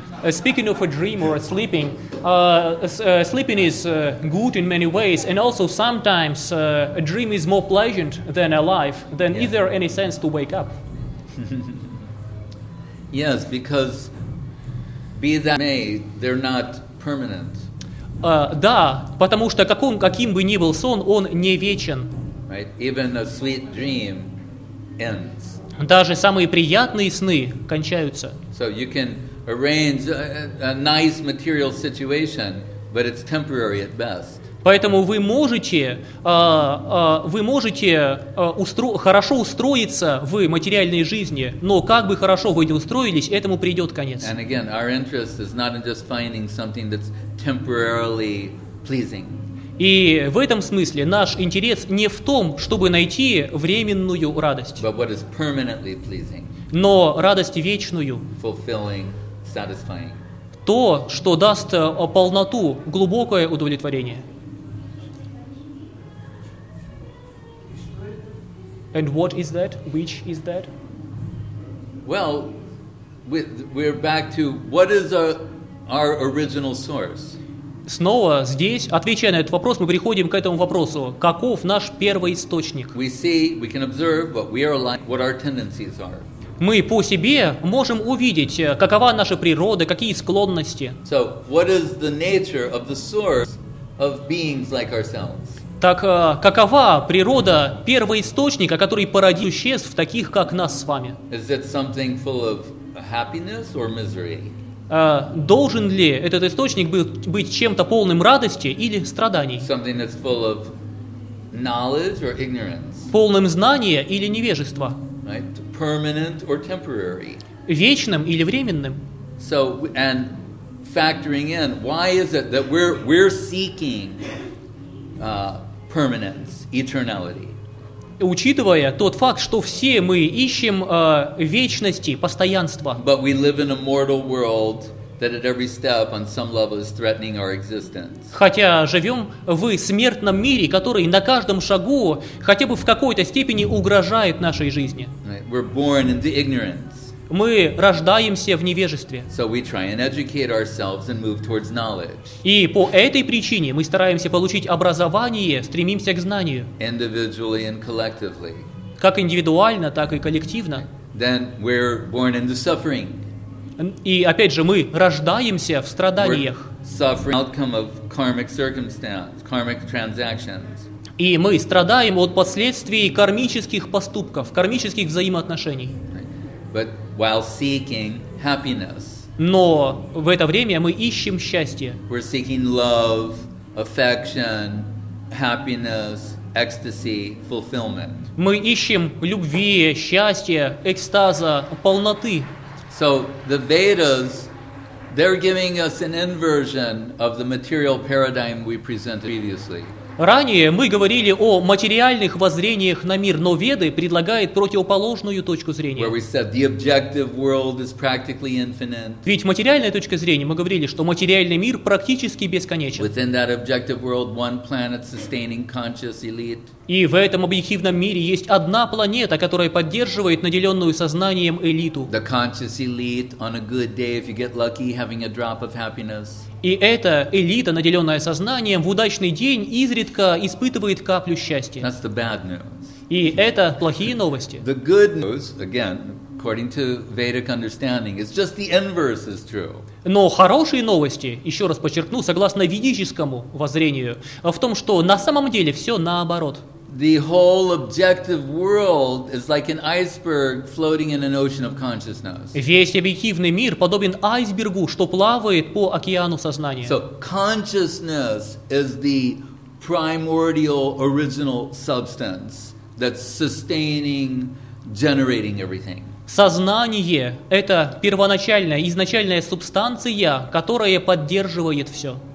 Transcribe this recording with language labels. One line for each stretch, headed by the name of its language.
English: Speaking of a dream or a sleeping, sleeping is good in many ways, and also sometimes a dream is more pleasant than a life. Then yeah. Is there any sense to wake up? Yes, because be that may, they're not permanent.
Russian: Да, потому что каким бы ни был сон, он не вечен.
English: Right, even a sweet dream ends.
Russian: Даже самые приятные сны кончаются.
English: So you can arrange a nice material situation, but it's temporary at best.
Russian: Поэтому вы можете хорошо устроиться в материальной жизни, но как бы хорошо вы ни устроились, этому придет конец.
English: And again, our interest is not in just finding something that's temporarily pleasing.
Russian: И в этом смысле наш интерес не в том, чтобы найти временную радость.
English: But what is permanently pleasing.
Russian: Но радость вечную.
English: Fulfilling. Satisfying.
Russian: То, что даст полноту, глубокое удовлетворение.
English: And what is that? Which is that? Well, we're back to what is our original source.
Russian: Снова здесь, отвечая на этот вопрос, мы приходим к этому вопросу. Каков наш первый источник?
English: We see, we can observe, but we are like what our tendencies are.
Russian: Мы по себе можем увидеть, какова наша природа, какие склонности.
English: So, what is the nature of the source of beings like ourselves?
Russian: Так, какова природа первоисточника, который породил существ, таких как нас с вами?
English: Is it something full of happiness or misery?
Russian: Должен ли этот источник быть чем-то полным радости или страданий?
English: Something that's full of knowledge or ignorance?
Russian: Полным знания или невежества?
English: Right? permanent or temporary.
Russian: Вечным или временным.
English: So, and factoring in, why is it that we're seeking permanence, eternality?
Russian: Учитывая тот факт, что все мы ищем вечности, постоянства.
English: But we live in a mortal world that at every step on some level is threatening our existence.
Russian: Хотя живем в смертном мире, который на каждом шагу хотя бы в какой-то степени угрожает нашей жизни.
English: Right. We're born into ignorance.
Russian: Мы рождаемся в невежестве.
English: So we try and educate ourselves and move towards knowledge.
Russian: И по этой причине мы стараемся получить образование, стремимся к знанию.
English: Individually and collectively.
Russian: Как индивидуально, так и коллективно.
English: Then we're born into suffering.
Russian: И опять же, мы рождаемся в страданиях.
English: We're suffering outcome of karmic circumstance, karmic transactions.
Russian: И мы страдаем от последствий кармических поступков, кармических взаимоотношений.
English: But while seeking happiness,
Russian: но в это время мы ищем счастье.
English: We're seeking love, affection, happiness, ecstasy, fulfillment.
Russian: Мы ищем любви, счастья, экстаза, полноты.
English: So the Vedas, they're giving us an inversion of the material paradigm we presented previously.
Russian: Ранее мы говорили о материальных воззрениях на мир, но Веды предлагают противоположную точку зрения.
English: Where we said the objective world is practically infinite.
Russian: Ведь материальная точка зрения, мы говорили, что материальный мир практически бесконечен.
English: Within that objective world, one planet sustaining conscious elite.
Russian: И в этом объективном мире есть одна планета, которая поддерживает наделенную сознанием элиту.
English: The conscious elite on a good day, if you get lucky, having a drop of happiness.
Russian: И эта элита, наделенная сознанием, в удачный день изредка испытывает каплю счастья.
English: That's the bad news.
Russian: И это плохие новости.
English: The good news, again, according to Vedic understanding, is just the inverse is true.
Russian: Но хорошие новости, еще раз подчеркну, согласно ведическому воззрению, в том, что на самом деле все наоборот.
English: The whole objective world is like an iceberg floating in an ocean of consciousness.
Russian: Весь объективный мир подобен айсбергу, что плавает по океану сознания.
English: So consciousness is the primordial original substance that's sustaining, generating everything.
Russian: Сознание — это первоначальная, изначальная субстанция, которая поддерживает все.